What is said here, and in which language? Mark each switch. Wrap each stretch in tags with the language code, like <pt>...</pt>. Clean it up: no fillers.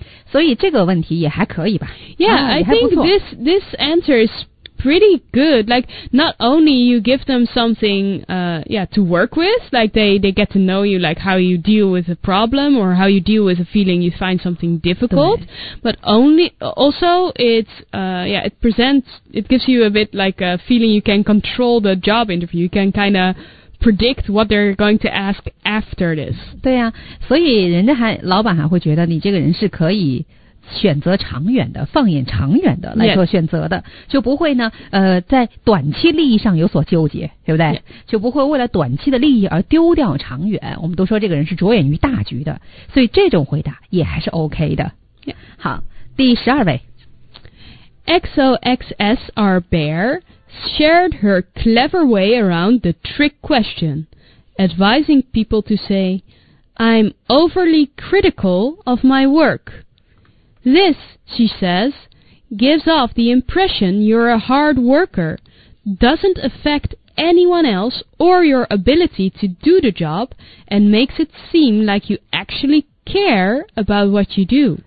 <zh>所以这个问题也还可以吧。</zh> <en>Yeah,、啊、 I think this answer is pretty good. Like, not only you give them something to work with, like they get to know you, like how you deal with a problem or how you deal with a feeling you find something difficult, but it gives you a bit like a feeling you can control the job interview. You can kind of predict what they're going to ask after this.</en> <zh>对呀、啊，所以人家还老板还会觉得你这个人是可以选择长远的，放眼长远的来做选择的、</zh> <en>yeah.</en> <zh>就不会呢在短期利益上有所纠结，对不对、</zh> <en>yeah.</en> <zh>就不会为了短期的利益而丢掉长远，我们都说这个人是着眼于大局的，所以这种回答也还是 OK 的、</zh> <en>yeah.</en> <zh>好，第十二位</zh> <en>XOXSR Bear shared her clever way around the trick question, advising people to say, I'm overly critical of my workThis, she says, gives off the impression you're a hard worker, doesn't affect anyone else or your ability to do the job, and makes it seem like you actually care about what you do.</en>